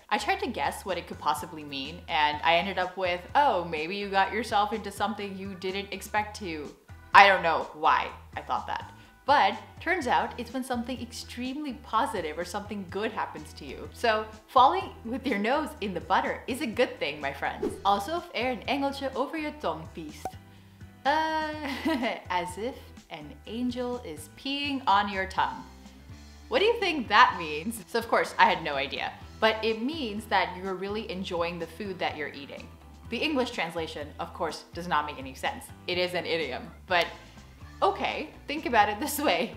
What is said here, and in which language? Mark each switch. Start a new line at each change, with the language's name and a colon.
English: I tried to guess what it could possibly mean, and I ended up with, oh, maybe you got yourself into something you didn't expect to. I don't know why I thought that. But turns out it's when something extremely positive or something good happens to you. So falling with your nose in the butter is a good thing, my friends.
Dutch: Also, if er een engeltje over je tong piest.
English: as if an angel is peeing on your tongue. What do you think that means? So of course, I had no idea, but it means that you're really enjoying the food that you're eating. The English translation, of course, does not make any sense. It is an idiom, but okay, think about it this way.